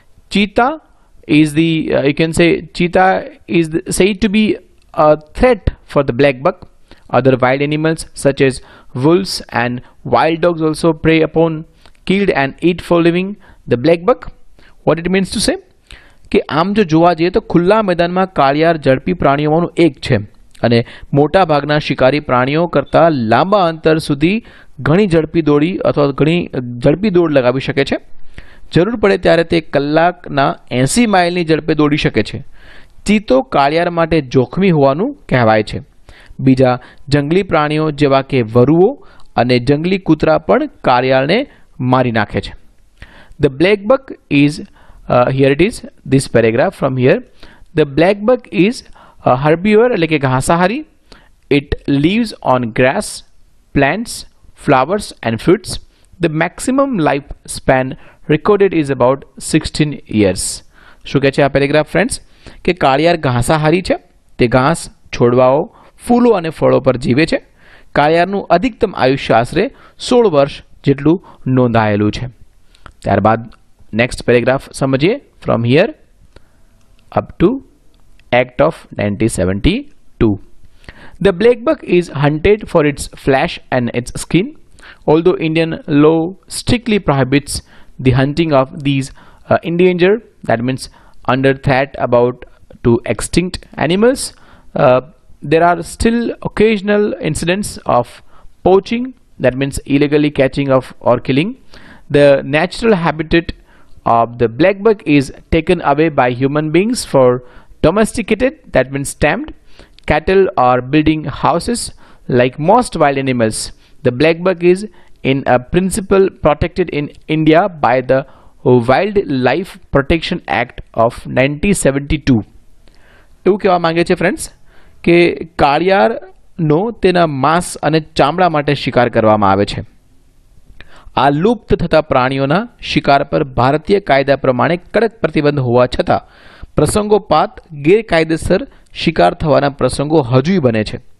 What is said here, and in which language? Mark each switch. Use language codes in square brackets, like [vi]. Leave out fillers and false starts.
[en] Cheetah is the cheetah is said to be a threat for the blackbuck. Other wild animals such as wolves and wild dogs also prey upon, killed and eat for living the blackbuck. What it means to say [gu] કે આમ જો જોવા જઈએ તો ખુલ્લા મેદાનમાં કાળિયાર ઝડપી પ્રાણીઓમાંનું એક છે અને મોટાભાગના શિકારી પ્રાણીઓ કરતાં લાંબા અંતર સુધી ઘણી ઝડપી દોડી અથવા ઘણી ઝડપી દોડ લગાવી શકે છે. જરૂર પડે ત્યારે તે કલાકના 80 માઇલની ઝડપે દોડી શકે છે. ચિત્તો કાળિયાર માટે જોખમી હોવાનું કહેવાય છે. બીજા જંગલી પ્રાણીઓ જેવા કે વરુઓ અને જંગલી કૂતરા પણ કાળિયારને મારી નાખે છે. [en] The blackbuck is here it is this paragraph from here. The blackbuck is a herbivore [gu] એટલે કે ઘાસાહારી. [en] It lives on grass, plants, flowers and fruits. The maximum life span recorded is about 16 years. [gu] શું કહે છે આ paragraph friends કે કાળિયાર ઘાસાહારી છે. તે ઘાસ, છોડવાઓ, ફૂલો અને ફળો પર જીવે છે. કાળિયારનું અધિકતમ આયુષ્ય આશરે 16 વર્ષ જેટલું નોંધાયેલું છે. ત્યારબાદ નેક્સ્ટ પેરેગ્રાફ સમજીએ. [en] From here up to act of 1972, the blackbuck is hunted for its flesh and its skin. Although Indian law strictly prohibits the hunting of these endanger, that means under threat about to extinct animals, there are still occasional incidents of poaching, that means illegally catching of or killing. The natural habitat of the blackbuck is taken away by human beings for domesticated, that means tamed, cattle or building houses. Like most wild animals, the blackbuck is in a principle protected in India by the Wildlife Protection Act of 1972. [gu] Tu kya mange che friends કે કાળિયારનો તેના માંસ અને ચામડા માટે શિકાર કરવામાં આવે છે. આ લુપ્ત થતા પ્રાણીઓના શિકાર પર ભારતીય કાયદા પ્રમાણે કડક પ્રતિબંધ હોવા છતાં પ્રસંગોપાત ગેરકાયદેસર શિકાર થવાના પ્રસંગો હજુય બને છે.